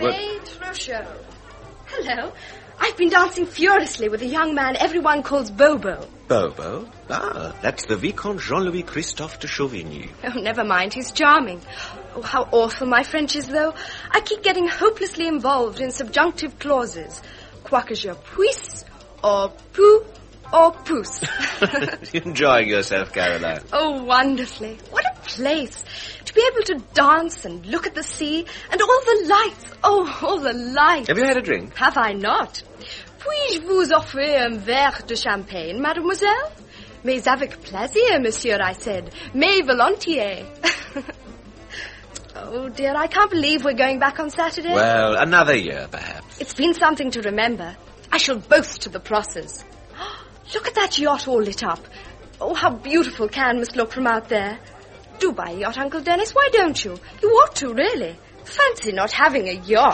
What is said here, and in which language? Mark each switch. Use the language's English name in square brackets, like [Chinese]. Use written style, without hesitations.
[English] would... Petrusha. Hello. I've been dancing furiously with a young man everyone calls Bobo. Bobo? Ah, that's the Vicomte Jean-Louis Christophe de Chauvigny. Oh, never mind, he's charming. Oh, how awful my French is, though. I keep getting hopelessly involved in subjunctive clauses. [French] Quoi que je puisse, or pou, or pousse. [English] Enjoying yourself, Caroline. Oh, wonderfully. What a place. To be able to dance and look at the sea and all the lights. Oh, all the lights. Have you had a drink? Have I not? [French] Puis-je vous offrir un verre de champagne, mademoiselle? Mais avec plaisir, monsieur, [English] I said. [French] Mais volontiers. [English] Oh, dear, I can't believe we're going back on Saturday. Well, another year, perhaps. It's been something to remember. I shall boast to the Prossers. Look at that yacht all lit up. Oh, how beautiful Cannes must look from out there. Do buy a yacht, Uncle Dennis. Why don't you? You ought to, really. Fancy not having a yacht.